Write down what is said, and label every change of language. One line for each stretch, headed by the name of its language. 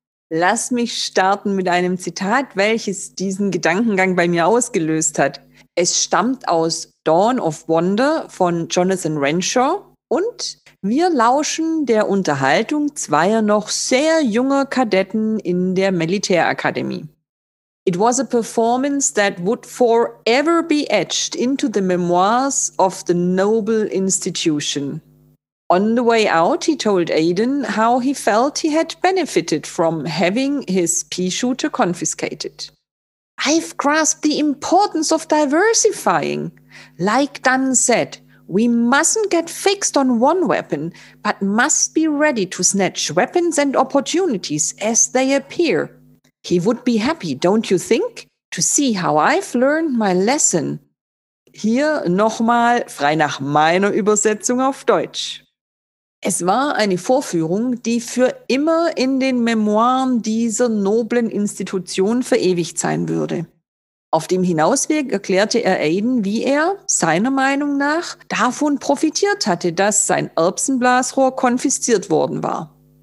German: Lass mich starten mit einem Zitat, welches diesen Gedankengang bei mir ausgelöst hat. Es stammt aus Dawn of Wonder von Jonathan Renshaw und wir lauschen der Unterhaltung zweier noch sehr junger Kadetten in der Militärakademie.
English: It was a performance that would forever be etched into the memoirs of the noble institution. On the way out, he told Aiden how he felt he had benefited from having his pea shooter confiscated. I've grasped the importance of diversifying. Like Dunn said, we mustn't get fixed on one weapon, but must be ready to snatch weapons and opportunities as they appear. He would be happy, don't you think, to see how I've learned my lesson.
German: Hier nochmal frei nach meiner Übersetzung auf Deutsch. Es war eine Vorführung, die für immer in den Memoiren dieser noblen Institution verewigt sein würde. Auf dem Hinausweg erklärte er Aiden, wie er, seiner Meinung nach, davon profitiert hatte, dass sein Erbsenblasrohr konfisziert worden war.